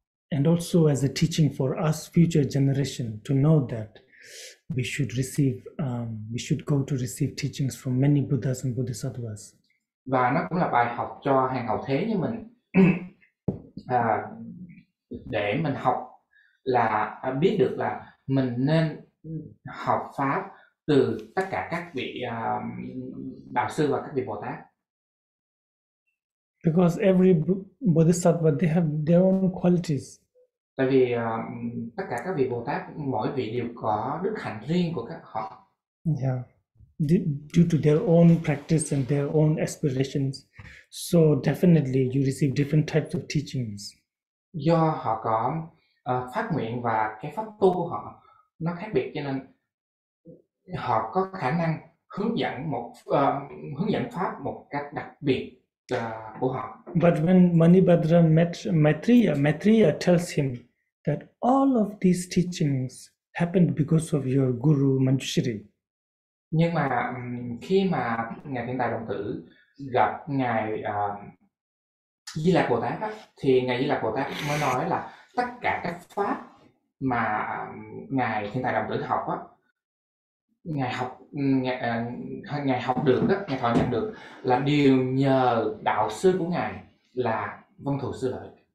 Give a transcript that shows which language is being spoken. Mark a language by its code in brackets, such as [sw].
[en] And also as a teaching for us future generation to know that we should receive, we should go to receive teachings from many Buddhas and Bodhisattvas. [vi] Và nó cũng là bài học cho hàng hậu thế như mình để mình học là biết được là mình nên học pháp từ tất cả các vị đạo sư và các vị Bồ Tát. [en] Because every bodhisattva they have their own qualities. [vi] Tại vì tất cả các vị Bồ Tát mỗi vị đều có đức hạnh riêng của các họ. [en] Yeah. Due to their own practice and their own aspirations, so definitely you receive different types of teachings. [vi] Do họ có phát nguyện và cái pháp tu của họ nó khác biệt, cho nên họ có khả năng hướng dẫn pháp một cách đặc biệt của họ. [en] But when Manibhadra met Maitreya, Maitreya tells him that all of these teachings happened because of your guru Manjushri. [vi] Nhưng mà khi mà ngài Thiện Tài đồng tử gặp ngài Di Lạc Bồ Tát á, thì ngài Di Lạc Bồ Tát mới nói là tất cả các pháp mà ngài Thiện Tài đồng tử học á, ngài học được á, ngài thọ nhận được là đều nhờ đạo sư của ngài là Vân Thù Sư Lợi.